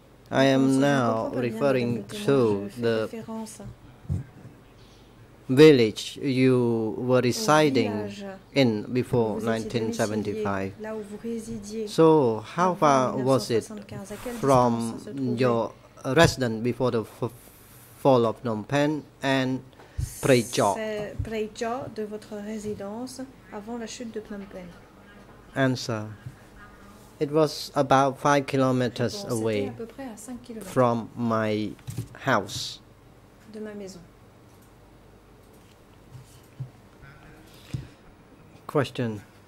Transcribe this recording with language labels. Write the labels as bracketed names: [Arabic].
[English] I am now referring to the village you were residing in before 1975. So how far was it from your residence before the fall of Phnom Penh and [French] Preijaw de votre résidence avant la chute de Phnom Penh? [English] Answer. It was about 5 kilometers away from my house. [French] De ma maison. [English] Question.